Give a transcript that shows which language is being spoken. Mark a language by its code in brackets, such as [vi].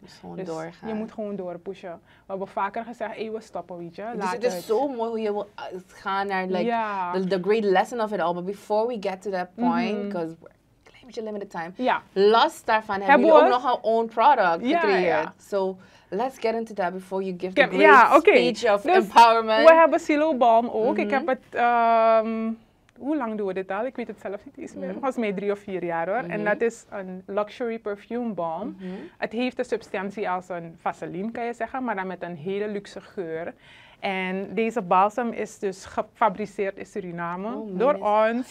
[nl] Dus doorgaan. Je moet gewoon doorpushen. We hebben vaker gezegd, we stoppen, weet je. Dus het is zo mooi hoe je wil gaan naar [en] the great lesson of it all. But before we get to that point, because we're a little bit limited time. [nl] Ja. Los daarvan hebben jullie ook nog een [en] own product [nl] gecreëerd. Ja. [en] So let's get into that before you give the great speech of empowerment. [nl] We hebben Silo Balm ook. Mm-hmm. Ik heb het, hoe lang doen we dit al? Ik weet het zelf niet eens meer. Het was mij 3 of 4 jaar hoor. Mm-hmm. En dat is een [en] luxury perfume balm. [nl] Mm-hmm. Het heeft de substantie als een vaseline, kan je zeggen, maar dan met een hele luxe geur. En deze balsam is dus gefabriceerd in Suriname door ons.